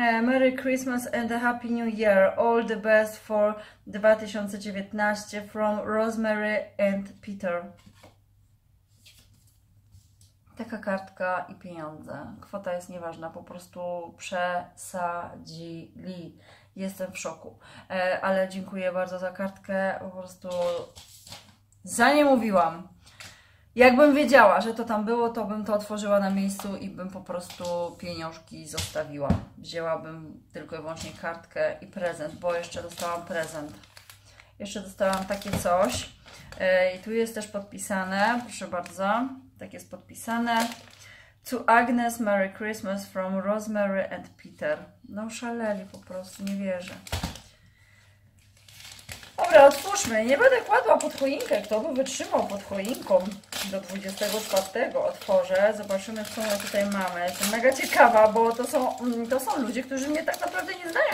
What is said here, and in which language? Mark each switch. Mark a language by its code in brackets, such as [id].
[en] Merry Christmas and a Happy New Year. All the best for 2019 from Rosemary and Peter. [pl] Taka kartka i pieniądze. Kwota jest nieważna, po prostu przesadzili. Jestem w szoku. Ale dziękuję bardzo za kartkę. Po prostu za nie mówiłam. Jakbym wiedziała, że to tam było, to bym to otworzyła na miejscu i bym po prostu pieniążki zostawiła. Wzięłabym tylko i wyłącznie kartkę i prezent, bo jeszcze dostałam prezent. Jeszcze dostałam takie coś. I tu jest też podpisane, proszę bardzo. Tak jest podpisane. [en] To Agnes, Merry Christmas from Rosemary and Peter. [pl] No szaleli po prostu, nie wierzę. Dobra, otwórzmy. Nie będę kładła pod choinkę. Kto by wytrzymał pod choinką do 24? Otworzę. Zobaczymy, co my tutaj mamy. Jestem mega ciekawa, bo to są ludzie, którzy mnie tak naprawdę nie znają.